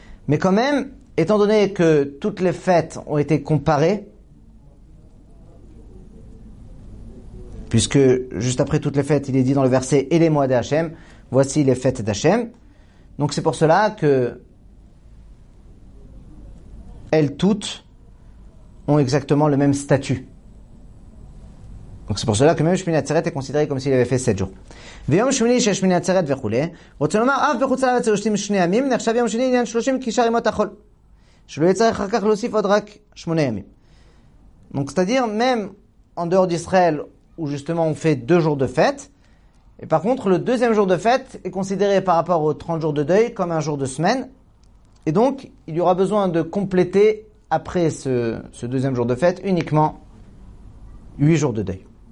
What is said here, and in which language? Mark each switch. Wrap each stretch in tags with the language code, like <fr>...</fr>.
<fr>Mais quand même, étant donné que toutes les fêtes ont été comparées, puisque juste après toutes les fêtes, il est dit dans le verset « Et les mois d'Hachem, voici les fêtes d'Hachem ». Donc c'est pour cela que elles toutes ont exactement le même statut. Donc c'est pour cela que même Shmini Atzeret est considéré comme s'il avait fait 7 jours.</fr> <he>ויום שמיני שיש שמיני עצרת וכולי, רוצה לומר, אף בחוץ לארץ שלושים שני ימים, נחשב יום שני עניין שלושים, כי שאר ימות החול. שלא יצטרך אחר כך להוסיף עוד רק שמונה ימים.</he> <fr>Donc c'est-à-dire, même en dehors d'Israël, où justement on fait deux jours de fête, et par contre, le deuxième jour de fête est considéré par rapport aux 30 jours de deuil comme un jour de semaine, et donc, il y aura besoin de compléter, après ce deuxième jour de fête, uniquement 8 jours de deuil.</fr>